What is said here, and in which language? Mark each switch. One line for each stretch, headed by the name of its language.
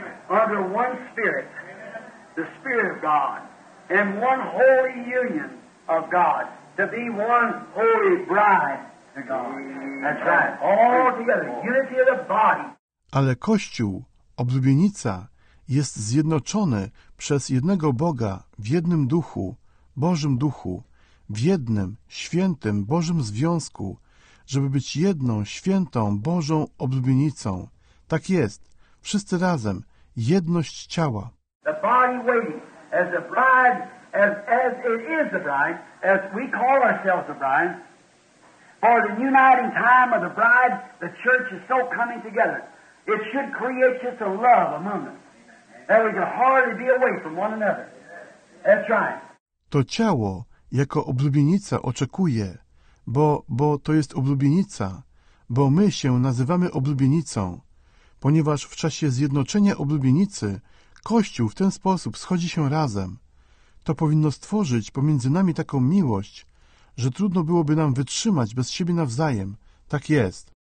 English: Under one spirit, the spirit of God, and one holy union of God, to be one holy bride to God. That's right. All together, unity of the body.
Polish: Ale Kościół, oblubienica, jest zjednoczony przez jednego Boga w jednym duchu, Bożym duchu, w jednym, świętym, Bożym związku, żeby być jedną, świętą, Bożą oblubienicą. Tak jest. Wszyscy razem. Jedność ciała.
English: The body waiting as a bride, as it is the bride, as we call ourselves the bride, for the uniting time of the bride, the church is so coming together. It should create just a love among us. That we can hardly be away from one another. That's right.
Polish: To ciało jako oblubienica oczekuje, bo to jest oblubienica, bo my się nazywamy oblubienicą. Ponieważ w czasie zjednoczenia oblubienicy Kościół w ten sposób schodzi się razem. To powinno stworzyć pomiędzy nami taką miłość, że trudno byłoby nam wytrzymać bez siebie nawzajem. Tak jest.